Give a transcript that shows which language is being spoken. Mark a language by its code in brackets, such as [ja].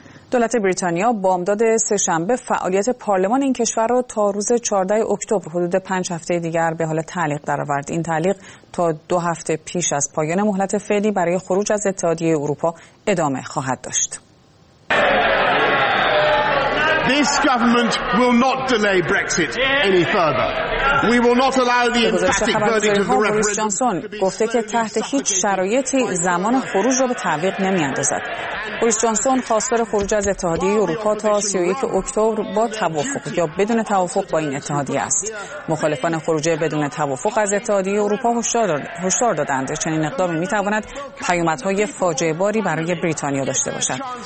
[fa] دولت بریتانیا بامداد سه‌شنبه فعالیت پارلمان این کشور را تا روز 14 اکتبر حدود 5 هفته دیگر به حال تعلیق درآورد. این تعلیق تا 2 هفته پیش از پایان مهلت فعلی برای خروج از اتحادیه اروپا ادامه خواهد داشت. [en] This government will not delay Brexit any further. We will not allow the emphatic verdict of the referendum. [fa] جانسون گفته که تحت هیچ شرایطی زمان خروج را به تعویق نمی‌اندازد. بوریس جانسون خواستار خروج از اتحادیه اروپا تا 31 اکتبر با توافق یا بدون توافق با این اتحادیه است. مخالفان خروج بدون توافق از اتحادیه اروپا هشدار دادند چنین اقدامی می‌تواند پیامدهای فاجعه‌باری برای بریتانیا داشته باشد.